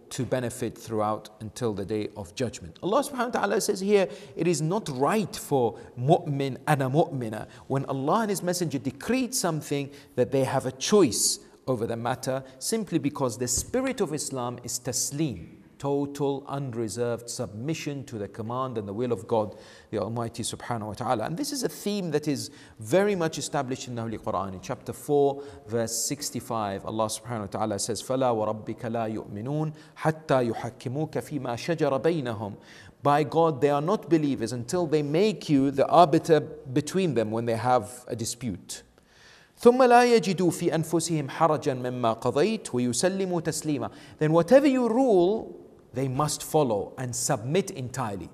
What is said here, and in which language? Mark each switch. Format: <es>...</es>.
<en>to benefit throughout until the day of judgment. Allah subhanahu wa ta'ala says here, it is not right for mu'min and a mu'mina when Allah and His Messenger decreed something that they have a choice over the matter, simply because the spirit of Islam is taslim, total unreserved submission to the command and the will of God, the Almighty subhanahu wa ta'ala. And this is a theme that is very much established in the Holy Quran. In chapter 4, verse 65, Allah subhanahu wa ta'ala says,</en> <ar>فَلَا وَرَبِّكَ لَا يُؤْمِنُونَ حَتَّى يُحَكِّمُوكَ فِي مَا شَجَرَ بَيْنَهُمْ.</ar> <en>By God, they are not believers until they make you the arbiter between them when they have a dispute.</en> <ar>ثُمَّ لَا يَجِدُوا فِي أَنفُسِهِمْ حَرَجًا مِمَّا قَضَيْتُ وَيُسَلِّمُوا تَسْلِيمًا.</ar> <en>Then whatever you rule, they must follow and submit entirely.</en>